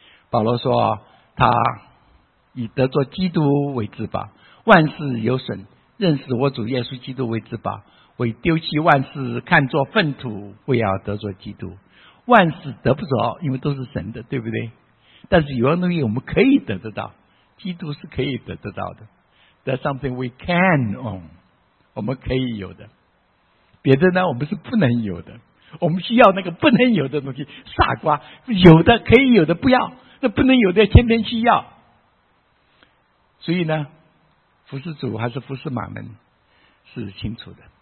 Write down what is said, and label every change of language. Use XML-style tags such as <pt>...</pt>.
<zh>保罗说他以得做基督为至宝，万事有损，认识我主耶稣基督为至宝，为丢弃万事看作粪土，为要得着基督。万事得不着，因为都是神的，对不对？但是有的东西我们可以得得到，基督是可以得得到的。</zh> <en>That's something we can own，</en> <zh>我们可以有的。别的呢，我们是不能有的。我们需要那个不能有的东西。傻瓜，有的可以有的不要，那不能有的天天去要。所以呢，服侍主还是服侍马门是清楚的。</zh>